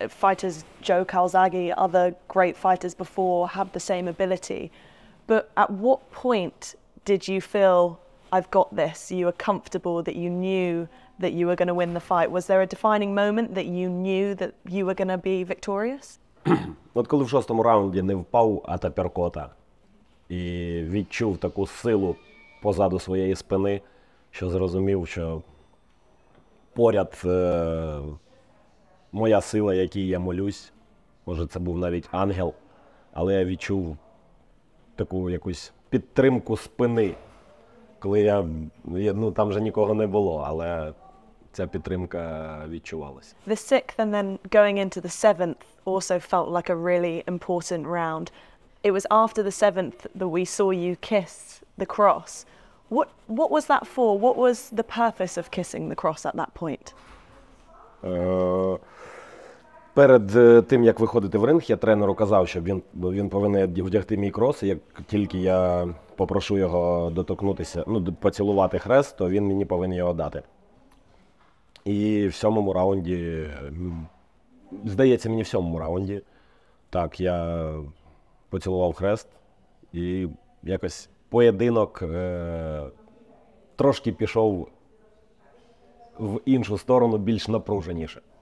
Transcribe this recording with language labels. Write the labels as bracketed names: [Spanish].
[English] Fighters, Joe Calzaghe, other great fighters before, have the same ability. But at what point did you feel, I've got this, you were comfortable, that you knew that you were going to win the fight? Was there a defining moment that you knew that you were going to be victorious? [Ukrainian] От коли в шостому раунді не впав від аперкота і відчув таку силу позаду своєї спини, що зрозумів, що поряд моя сила, якій я молюсь, може це був навіть ангел, але я відчув таку якусь підтримку спини, коли я, ну там вже нікого не було, але ця підтримка відчувалася. [English] The sixth and then going into the seventh also felt like a really important round. It was after the seventh that we saw you kiss the cross. What was that for? What was the purpose of kissing the cross at that point? [Ukrainian] Перед тим, як виходити в ринг, я тренеру казав, що він повинен вдягти мій крос, і як тільки я попрошу його доторкнутися, ну, поцілувати хрест, то він мені повинен його дати. І в сьомому раунді, здається, мені в сьомому раунді, так, я поцілував хрест, і якось поєдинок трошки пішов в іншу сторону, більш напруженіше.